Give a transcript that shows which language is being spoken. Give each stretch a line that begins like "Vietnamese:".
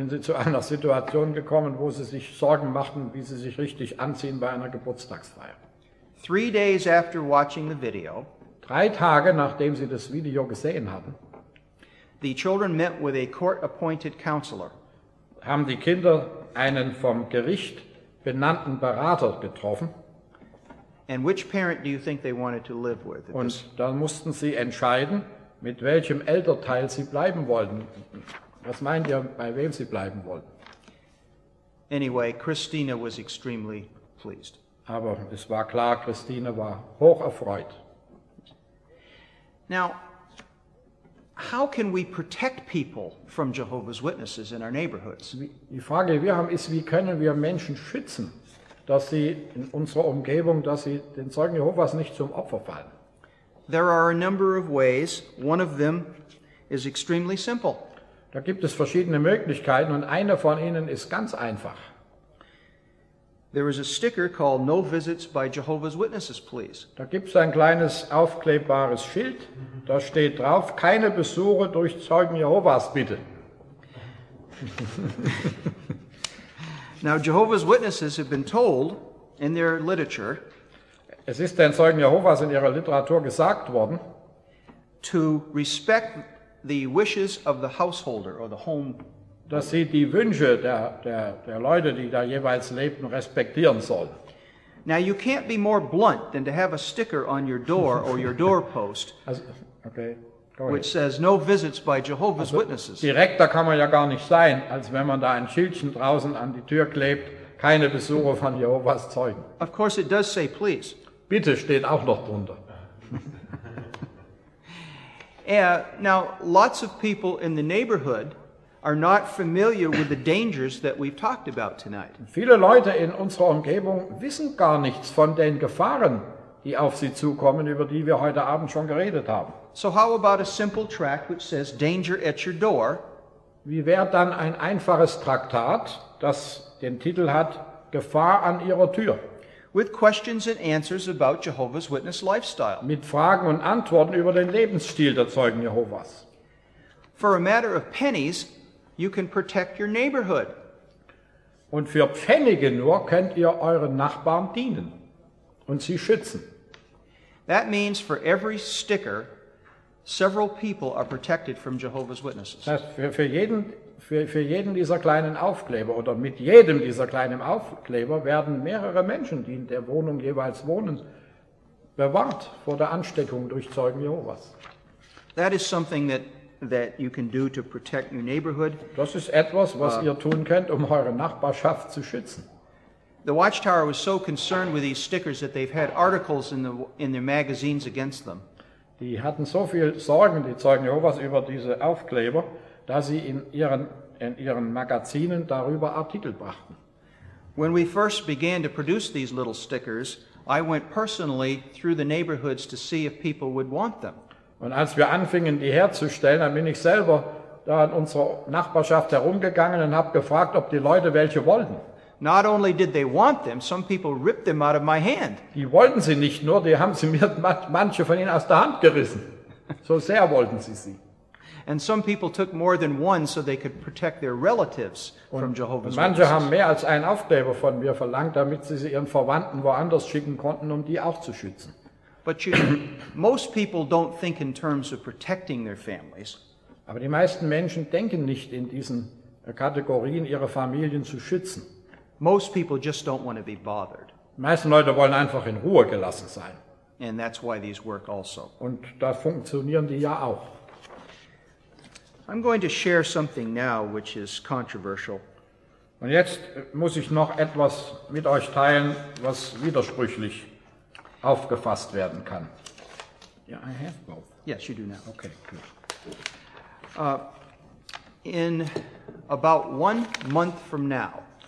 German: Sind sie zu einer Situation gekommen, wo sie sich Sorgen machten, wie sie sich richtig anziehen bei einer Geburtstagsfeier.
English: 3 days after watching the video,
German: 3 Tage nachdem sie das Video gesehen hatten,
English: the children met with a court-appointed counselor.
German: Haben die Kinder einen vom Gericht benannten Berater getroffen.
English: And which parent do you think they wanted to live with?
German: Und dann mussten sie entscheiden, mit welchem Elternteil sie bleiben wollten. Was meint ihr, bei wem sie bleiben wollten?
English: Anyway, Christina was extremely pleased.
German: Aber es war klar, Christina war hoch erfreut.
English: Now, how can we protect people from Jehovah's Witnesses in our neighborhoods?
German: Die Frage, die wir haben, ist, wie können wir Menschen schützen, dass sie in unserer Umgebung, dass sie den Zeugen Jehovas nicht zum Opfer fallen?
English: There are a number of ways. One of them is extremely simple.
German: Da gibt es verschiedene Möglichkeiten und eine von ihnen ist ganz einfach.
English: There is a sticker called No Visits by Jehovah's Witnesses, please.
German: Da gibt's ein kleines aufklebbares Schild, da steht drauf, keine Besuche durch Zeugen Jehovas, bitte.
English: Now, Jehovah's Witnesses have been told in their literature,
German: es ist den Zeugen Jehovas in ihrer Literatur gesagt worden,
English: to respect the wishes of the householder or the home,
German: dass sie die Wünsche der Leute, die da jeweils lebten, respektieren sollen.
English: Now you can't be more blunt than to have a sticker on your door or your doorpost, which says no visits by Jehovah's Witnesses.
German: Direkter kann man ja gar nicht sein, als wenn man da ein Schildchen draußen an die Tür klebt, keine Besuche von Jehovas Zeugen.
English: Of course it does say please.
German: Bitte steht auch noch drunter.
English: Now lots of people in the neighborhood are not familiar with the dangers that we've talked about tonight.
German: Viele Leute in unserer Umgebung wissen gar nichts von den Gefahren, die auf sie zukommen, über die wir heute Abend schon geredet haben.
English: So how about a simple tract which says danger at your door?
German: Wie wäre dann ein einfaches Traktat, das den Titel hat Gefahr an ihrer Tür?
English: With questions and answers about Jehovah's Witness lifestyle.
German: Mit Fragen und Antworten über den Lebensstil der Zeugen Jehovas.
English: For a matter of pennies, you can protect your neighborhood.
German: Und für Pfennige nur könnt ihr euren Nachbarn dienen und sie schützen.
English: That means for every sticker, several people are protected from Jehovah's Witnesses.
German: Das für jeden dieser kleinen Aufkleber oder mit jedem dieser kleinen Aufkleber werden mehrere Menschen, die in der Wohnung jeweils wohnen, bewahrt vor der Ansteckung durch Zeugen Jehovas.
English: That is something that you can do to protect your neighborhood.
German: Das ist etwas, was ihr tun könnt, um eure Nachbarschaft zu schützen.
English: The Watchtower was so concerned with these stickers that they've had articles in their magazines against them.
German: Die hatten so viel Sorgen, die Zeugen Jehovas, über diese Aufkleber, dass sie in ihren Magazinen darüber Artikel brachten.
English: When we first began to produce these little stickers, I went personally through the neighborhoods to see if people would want them.
German: Und als wir anfingen, die herzustellen, dann bin ich selber da in unserer Nachbarschaft herumgegangen und habe gefragt, ob die Leute welche wollten.
English: Not only did they want them, some people ripped them out of my hand.
German: Die wollten sie nicht nur, die haben sie mir manche von ihnen aus der Hand gerissen. So sehr wollten sie sie.
English: And some people took more than one so they could protect their relatives from Jehovah's Witnesses.
German: Manche haben mehr als einen Aufkleber von mir verlangt, damit sie ihren Verwandten woanders schicken konnten, um die auch zu schützen.
English: But most people don't think in terms of protecting their families.
German: Aber die meisten Menschen denken nicht in diesen Kategorien, ihre Familien zu schützen.
English: Most people just don't want to be bothered.
German: Die meisten Leute wollen einfach in Ruhe gelassen sein.
English: And that's why these work also.
German: Und da funktionieren die ja auch.
English: I'm going to share something now which is controversial.
German: Und jetzt muss ich noch etwas mit euch teilen, was widersprüchlich aufgefasst werden kann.
English: Yeah, I have both. Yes, you do now. Okay, good. In about 1 month from now,